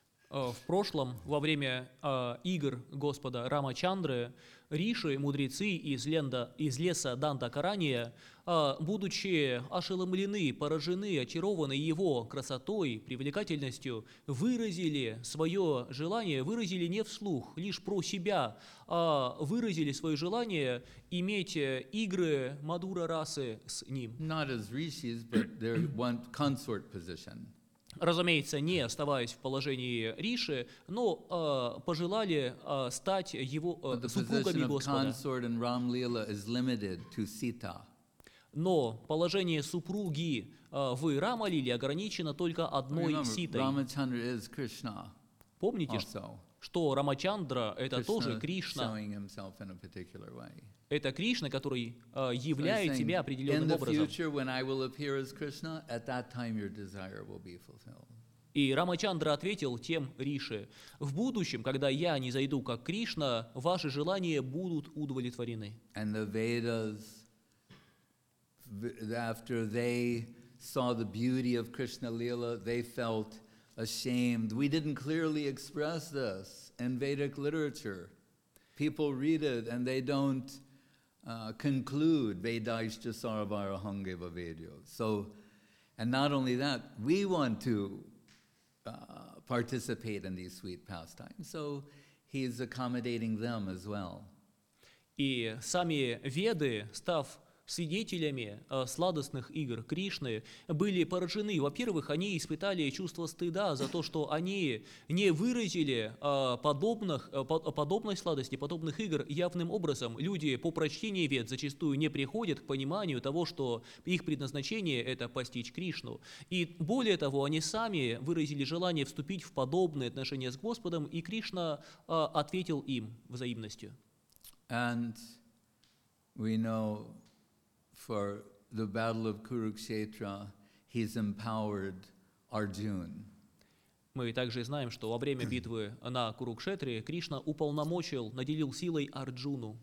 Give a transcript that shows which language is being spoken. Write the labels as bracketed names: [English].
[Russian] В прошлом, во время игр Господа Рама Чандры, Риши, мудрецы из леса Дандакарания, будучи ошеломлены, поражены, очарованы его красотой, привлекательностью, выразили свое желание, выразили не вслух, лишь про себя, а выразили свое желание иметь игры Мадура расы с ним. [English] Not as rishis, but they want consort position. [Russian] Разумеется, не оставаясь в положении Риши, но пожелали стать его супругами Господа. [English] Ram Lila is limited to Sita. [Russian] Но положение супруги в Рама-лиле ограничено только одной Ситой. [English] Ramachandra is Krishna. [Russian] Помните, [English] also, [Russian] что Рамачандра – это тоже Кришна. [English] Showing himself in a particular way. [Russian] Это Кришна, который являет себя определенным образом. И Рамачандра ответил тем Риши: «В будущем, когда я не зайду как Кришна, ваши желания будут удовлетворены». [English] And the Vedas, after they saw the beauty of Krishna Leela, they felt ashamed. We didn't clearly express this in Vedic literature. People read it and they don't conclude [Sanskrit] Vedaishcha Saravara Hangeva Vedyo. [English] So, and not only that, we want to participate in these sweet pastimes. So he's accommodating them as well. [Russian] И сами веды, став свидетелями сладостных игр Кришны, были поражены. Во-первых, они испытали чувство стыда за то, что они не выразили подобной сладости, подобных игр явным образом. Люди по прочтении вед зачастую не приходят к пониманию того, что их предназначение – это постичь Кришну. И более того, они сами выразили желание вступить в подобные отношения с Господом, и Кришна ответил им взаимностью. [English] And we know for the battle of Kurukshetra, he's empowered Arjuna. [Russian] Мы также знаем, что во время битвы на Курукшетре Кришна уполномочил, наделил силой Арджуну.